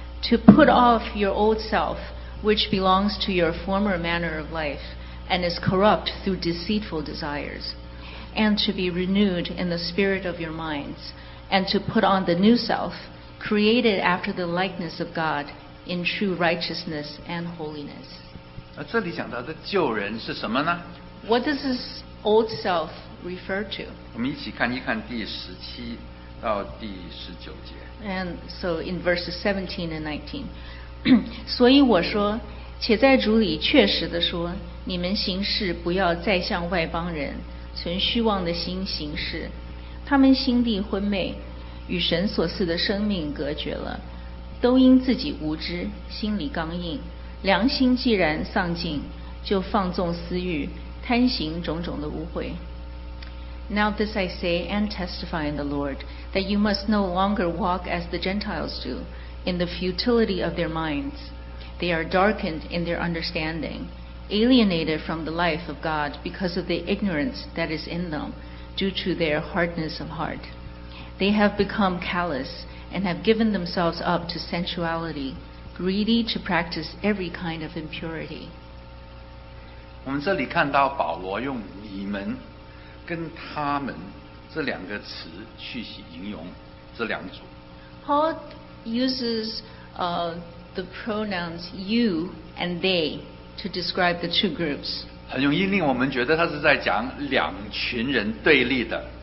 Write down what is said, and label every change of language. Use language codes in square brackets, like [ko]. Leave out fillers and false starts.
[en] To put off your old self, which belongs to your former manner of life, and is corrupt through deceitful desires, and to be renewed in the spirit of your minds, and to put on the new self, created after the likeness of God. In true righteousness and holiness. [zh] 这里讲到的旧人是什么呢？ [en] What does this old self refer to? [zh] 我们一起看一看第十七到第十九节。 [en] And so in verses 17 and 19. [zh] 所以我说，且在主里确实地说，你们行事不要再像外邦人，存虚妄的心行事。他们心地昏昧，与神所赐的生命隔绝了。都因自己无知，心里刚硬，良心既然丧尽，就放纵私欲，贪行种种的污秽。 [en] Now this I say and testify in the Lord, that you must no longer walk as the Gentiles do, in the futility of their minds. They are darkened in their understanding, alienated from the life of God because of the ignorance that is in them, due to their hardness of heart. They have become callous and have given themselves up to sensuality, greedy to practice every kind of impurity. [zh] 我们这里看到保罗用你们跟他们这两个词去形容这两组。 [en] Paul uses the pronouns you and they to describe the two groups. [zh] 很容易令我们觉得他是在讲两群人对立的。